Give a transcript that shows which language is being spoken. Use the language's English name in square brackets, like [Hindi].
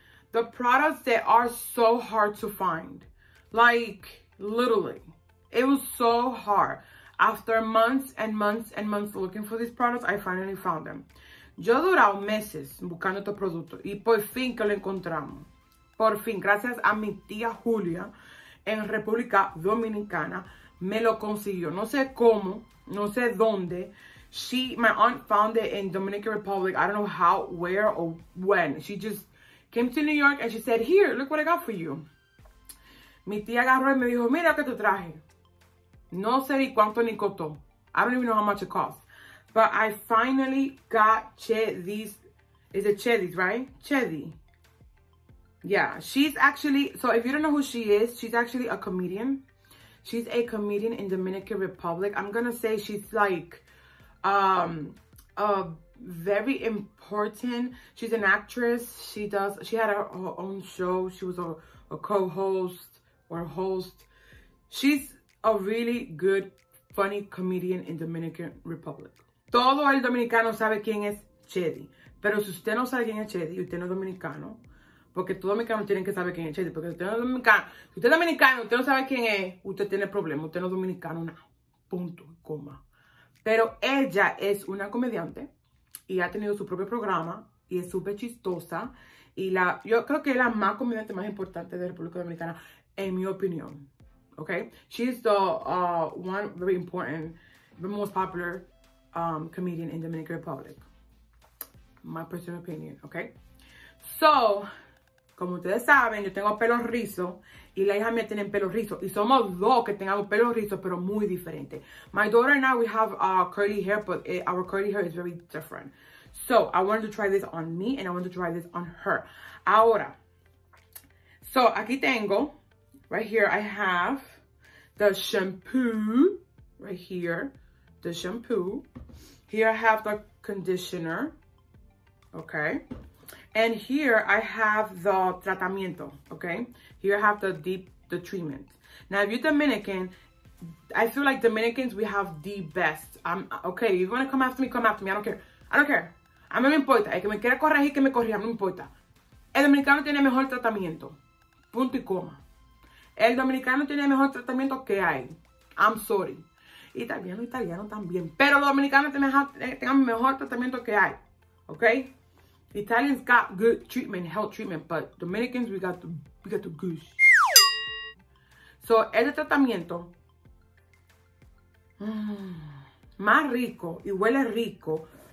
[English] The products that are so hard to find. Like, literally. It was so hard. After months and months and months looking for these products, I finally found them. [Spanish] Yo duraba meses buscando estos productos. Y por fin que lo encontramos. Por fin, gracias a mi tía Julia en República Dominicana. Me lo consiguió. No sé cómo, no sé dónde. [English] My aunt found it in Dominican Republic. I don't know how, where, or when. She just came to New York and she said, here, look what I got for you. [Spanish] Mi tía agarró y me dijo, mira que te traje. No sé ni cuánto ni costó. [English] I don't even know how much it costs. But I finally got Chedis. Is it Chedis, right? Chedi. Yeah, she's actually, so if you don't know who she is, she's actually a comedian. She's a comedian in Dominican Republic. I'm gonna say she's like a very important. She's an actress. She had her own show. She was a co-host or host. She's a really good, funny comedian in Dominican Republic. [Spanish] Todo el dominicano sabe quién es Chedi. Pero si usted no sabe quién es Chedi, usted no es dominicano. Porque todos los dominicanos tienen que saber quién es Chedi. Porque usted no es dominicano. Si usted es dominicano, usted no sabe quién es. Usted tiene problemas. Usted no es dominicano, nada. Punto, coma. Pero ella es una comediante. Y ha tenido su propio programa. Y es súper chistosa. Y yo creo que es la más comediante, más importante de República Dominicana. En mi opinión. ¿Ok? [English] She's the one very important, the most popular comedian in Dominican Republic. My personal opinion. ¿Ok? [Spanish] So, como ustedes saben, yo tengo pelo rizo y la hija mía tiene pelo rizo. Y somos dos que tengamos pelo rizo, pero muy diferente. [English] My daughter and I, we have curly hair, but our curly hair is very different. So, I wanted to try this on me and I wanted to try this on her. [Spanish] Ahora, so aquí tengo, [English] right here, I have the shampoo, right here, the shampoo. Here I have the conditioner, okay. And here I have the [Spanish] tratamiento, [English] okay? Here I have the treatment. Now, if you're Dominican, I feel like Dominicans, we have the best. Okay, if you want to come after me, come after me. I don't care. [Spanish] A mí me importa. El que me quiera corregir, que me corrija, no importa. El dominicano tiene mejor tratamiento. Punto y coma. El dominicano tiene mejor tratamiento que hay. [English] I'm sorry. [Spanish] Italiano también. Pero los dominicanos tengan mejor tratamiento que hay, okay? [English] Italians got good treatment, health treatment, but Dominicans, we got the goose. [Spanish] So, este tratamiento, más rico, y huele rico.